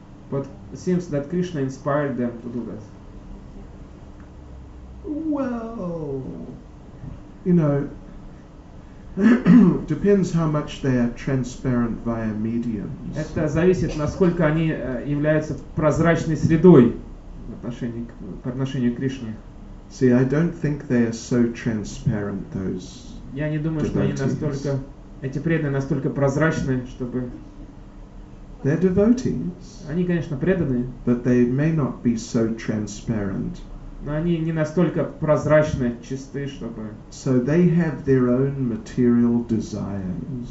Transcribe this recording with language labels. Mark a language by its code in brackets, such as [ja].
[en] But it seems that Krishna inspired them to do that. Well, you know, depends how much they are transparent via mediums. [ru] Это зависит, насколько они являются прозрачной средой по отношению к Кришне. [en] See, I don't think they are so transparent, those devotees. [ru] Я не думаю, что они настолько, эти преданные настолько прозрачны, чтобы... [en] They're devotees. [ru] Они, конечно, преданные. [en] But they may not be so transparent. [ru] Но они не настолько прозрачны, чисты, чтобы... [en] So they have their own material desires.